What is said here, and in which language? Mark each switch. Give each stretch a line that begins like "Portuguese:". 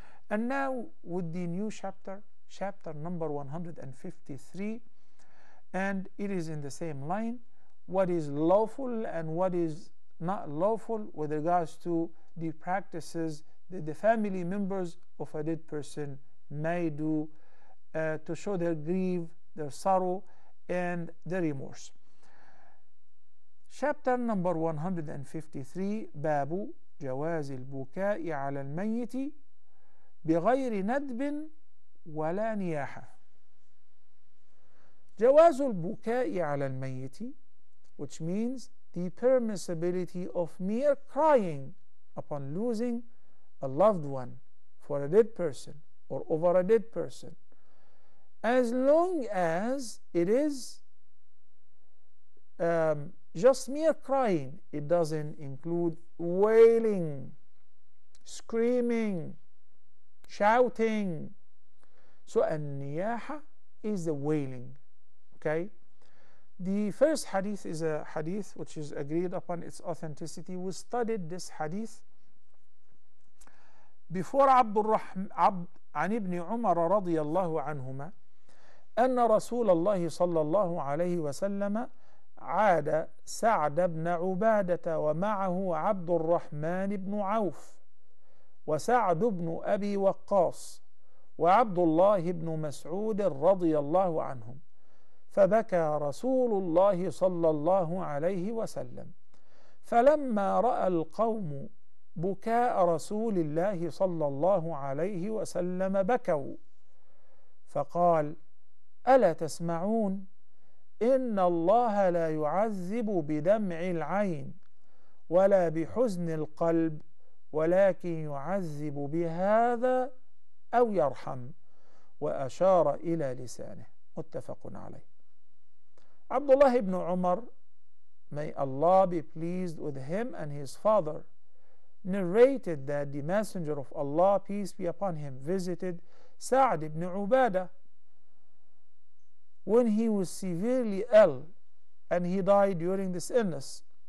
English: And now with the new chapter, chapter number 153, and it is in the same line, what is lawful and what is not lawful with regards to the practices that the family members of a dead person may do to show their grief, their sorrow, and their remorse. Chapter number 153,
Arabic: باب جواز البكاء على الميت بغير ندب ولا نياحة. جواز البكاء على الميت,
English: which means the permissibility of mere crying upon losing a loved one, for a dead person or over a dead person, as long as it is just mere crying, it doesn't include wailing, screaming, shouting. So an-niyaha is the wailing. Okay, the first hadith is a hadith which is agreed upon its authenticity. We studied this hadith before
Arabic: عن ابن عمر رضي الله عنهما أن رسول الله صلى الله عليه وسلم عاد سعد بن عبادة ومعه عبد الرحمن بن عوف وسعد بن أبي وقاص وعبد الله بن مسعود رضي الله عنهم فبكى رسول الله صلى الله عليه وسلم فلما رأى القوم بكاء رسول الله صلى الله عليه وسلم بكوا فقال ألا تسمعون إن الله لا يعذب بدمع العين ولا بحزن القلب ولكن يعذب بهذا أو يرحم وأشار إلى لسانه. متفق عليه.
English: عبد الله بن عمر, may Allah be pleased with him and his father, narrated that the Messenger of Allah, peace be upon him, visited Sa'd ibn Ubadah when he was severely ill and he died during this illness.